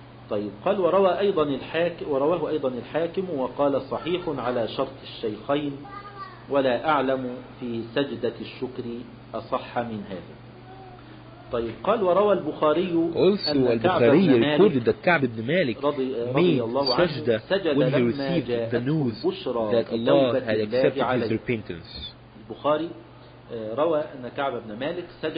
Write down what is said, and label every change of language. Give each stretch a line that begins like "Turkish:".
Arabic: طيب قال وروى أيضا الحاكم ورواه أيضا الحاكم وقال صحيح على شرط الشيخين ولا أعلم في سجدة الشكر أصح من هذا. طيب قال وروى البخاري
English: أن البخاري recorded that كعب بن مالك made سجدة when he received the news that Allah had accepted his repentance.
Arabic: البخاري روى أن كعب بن مالك سجد